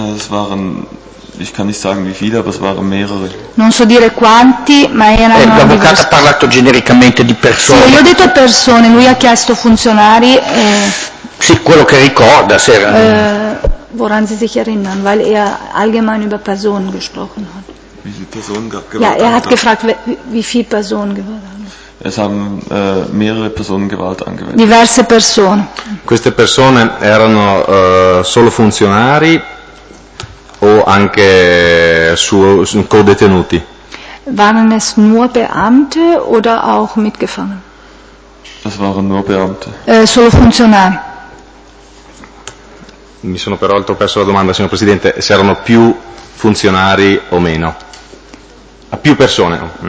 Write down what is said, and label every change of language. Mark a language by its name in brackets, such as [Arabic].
[German] Es waren, ich kann nicht sagen wie viele, aber es waren mehrere. [Italian] Non so dire quanti, ma erano diversi. L'avvocato ha parlato genericamente di persone. Sì, io ho detto persone, lui ha chiesto funzionari. Sì, quello che ricorda, se era. [German] Woran Sie sich erinnern, weil allgemein über Personen gesprochen hat. Wie viele Personen er hat gefragt, wie viele Personen Gewalt haben. Es haben mehrere Personen Gewalt angewendet. [Italian] Diverse persone. Queste persone erano solo funzionari o anche co-detenuti? [German] Waren es nur Beamte oder auch Mitgefangene? Es waren nur Beamte. [Italian] Solo funzionari. Mi sono peraltro perso la domanda, signor Presidente, se erano più funzionari o meno. A più persone.